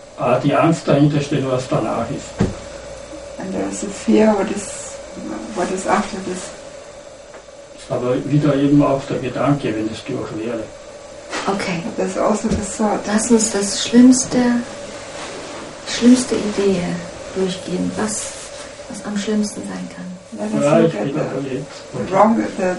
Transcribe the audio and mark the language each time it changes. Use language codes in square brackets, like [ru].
[de] Ah, die Angst dahinter steht, was danach ist. [en] And there is a fear, what is after this. [de] Aber wieder eben auch der Gedanke, wenn es durch wäre. Okay. [en] That's also the thought. [de] Lass uns das schlimmste Idee durchgehen, was am schlimmsten sein kann. [en] Let us look at